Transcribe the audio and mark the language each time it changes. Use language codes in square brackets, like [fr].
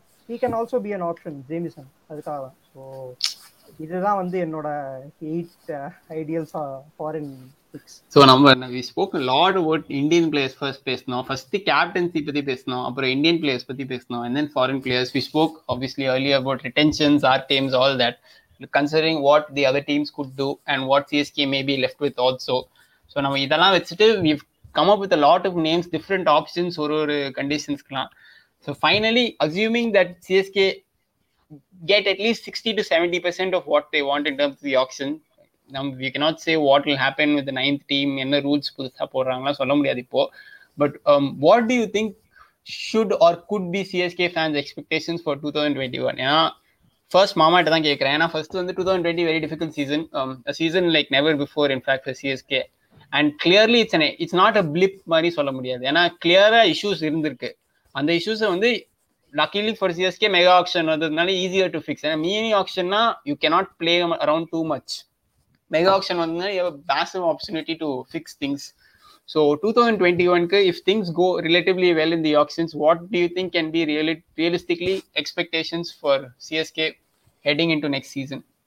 [en] He can also be an option Jamieson அதுக்காக. [ta] So இதுதான் வந்து என்னோட [en] 8 ideals for in So, we spoke a lot about Indian players first, first the captaincy [ta] pathi pesnom, appra Indian players pathi pesnom, [en] and then foreign players. We spoke obviously earlier about retentions, our teams, all that, considering what the other teams could do and what CSK may be left with also. So, now we've come up with a lot of names, different options, oru conditions. So, finally, assuming that CSK get at least 60-70% of what they want in terms of the auction, நம் we cannot say what will happen with ninth team, [ta] என்ன rules புதுசாக போடுறாங்களா சொல்ல முடியாது இப்போ. [en] But what do you think should or could be CSK fans expectations for 2021? [ta] ஏன்னா first மாமாட்ட தான் கேட்குறேன். [en] ஏன்னா ஃபர்ஸ்ட் வந்து 2020 very difficult season, a season like never before in fact for CSK. And clearly it's not a blip [ta] மாதிரி சொல்ல முடியாது, ஏன்னா கிளியராக இஷ்யூஸ் இருந்திருக்கு. அந்த இஷ்யூஸை வந்து luckily for CSK mega action வந்ததுனால ஈஸியாக டு ஃபிக்ஸ். ஏன்னா mini ஆக்ஷன்னா [en] You cannot play around too much. Mega auction one, you have a massive opportunity to fix things. So 2021, if things go relatively well in the auctions, what do you think can be realistically expectations for CSK heading into next season?